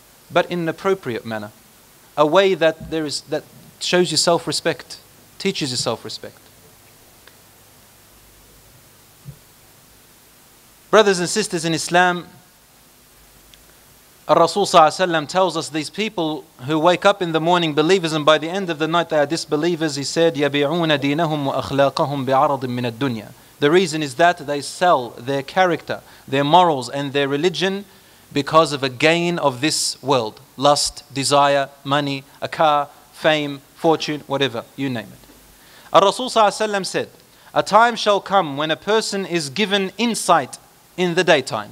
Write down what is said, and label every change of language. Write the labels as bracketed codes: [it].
[en] But in an appropriate manner. A way that there is that shows you self-respect, teaches you self-respect. Brothers and sisters in Islam, Rasul sallallahu alayhi wa sallam tells us these people who wake up in the morning believers and by the end of the night they are disbelievers. He said, [ar] يَبِعُونَ دِينَهُمْ وَأَخْلَاقَهُمْ بِعَرَضٍ مِّنَ الدُّنْيَا. [en] The reason is that they sell their character, their morals and their religion because of a gain of this world. Lust, desire, money, a car, fame, fortune, whatever, you name it. Rasul sallallahu alayhi wa sallam said, a time shall come when a person is given insight in the daytime.